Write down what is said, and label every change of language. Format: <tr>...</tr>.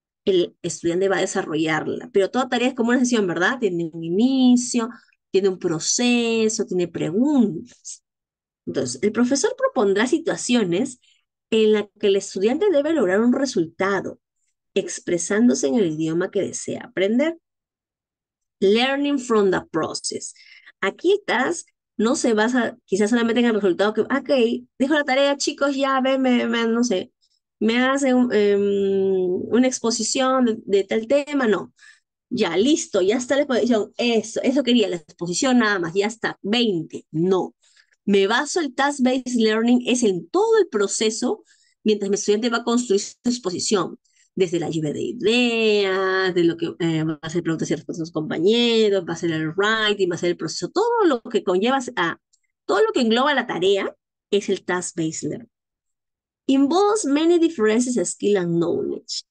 <es>el estudiante va a desarrollarla. Pero toda tarea es como una sesión, ¿verdad? Tiene un inicio, tiene un proceso, tiene preguntas. Entonces, el profesor propondrá situaciones en las que el estudiante debe lograr un resultado, expresándose en el idioma que desea aprender.</es> <en>Learning from the process.</en> <es>Aquí el task no se basa quizás solamente en el resultado que, ok, dejo la tarea, chicos, ya, ven, no sé, me hace una exposición de tal tema, no. Ya, listo, ya está la exposición, eso quería, la exposición nada más, ya está, 20, no. Me baso el task-based learning, es en todo el proceso mientras mi estudiante va a construir su exposición, desde la lluvia de ideas, de lo que va a ser preguntas y respuestas a sus compañeros, va a ser el writing, va a ser el proceso, todo lo que conlleva a todo lo que engloba la tarea es el task-based learning.</es> <en>Involves many differences, skill and knowledge.</en>